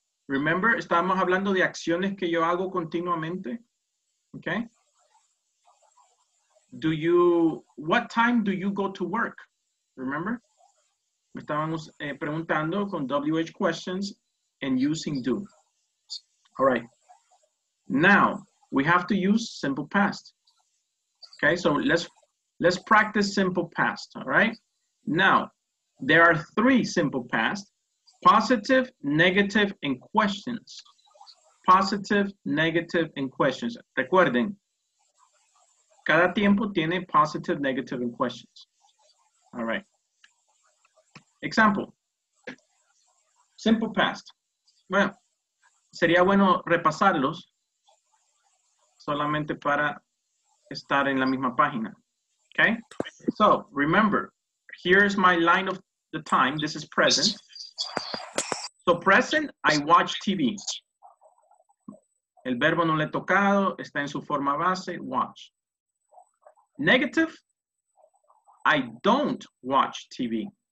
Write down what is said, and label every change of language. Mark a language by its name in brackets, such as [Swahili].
[English] Remember, [Spanish] estábamos hablando de acciones que yo hago continuamente. [English] Okay. Do you, what time do you go to work? Remember? [Spanish] Me estábamos preguntando con [English] WH questions and using do. All right. Now, we have to use simple past. Okay, so let's practice simple past, all right? Now, there are three simple past: positive, negative, and questions. Positive, negative, and questions. [Spanish] Recuerden, cada tiempo tiene [English] positive, negative, and questions. All right. Example. Simple past. [Spanish] Bueno, sería bueno repasarlos solamente para estar en la misma página. [English] Okay? So, remember, here is my line of the time. This is present. So, present, I watch TV. [Spanish] El verbo no le he tocado, está en su forma base, watch. [English] Negative, I don't watch TV.